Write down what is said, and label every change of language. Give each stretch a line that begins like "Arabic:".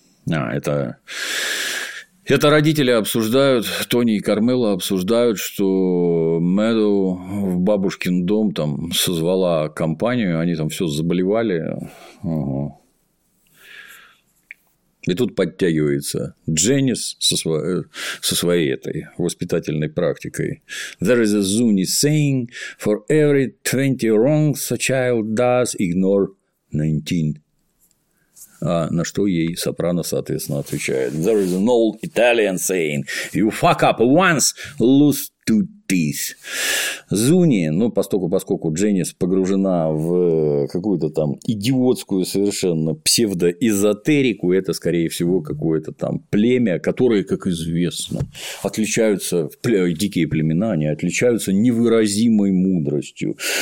Russian: А, это родители обсуждают, Тони и Кармелла обсуждают, что Мэдоу в бабушкин дом там созвала компанию, они там все заболевали. Угу. И тут подтягивается Дженнис со своей этой воспитательной практикой.
English: There is a Zuni saying, for every 20 wrongs a child does, ignore 19.
Russian: А на что ей Сопрано, соответственно, отвечает.
English: There is an old Italian saying. You fuck up once, lose two teeth.
Russian: Зуни, ну, поскольку Дженнис погружена в какую-то там идиотскую совершенно псевдоэзотерику, это, скорее всего, какое-то там племя, которое, как известно, отличаются, дикие племена, они отличаются невыразимой мудростью.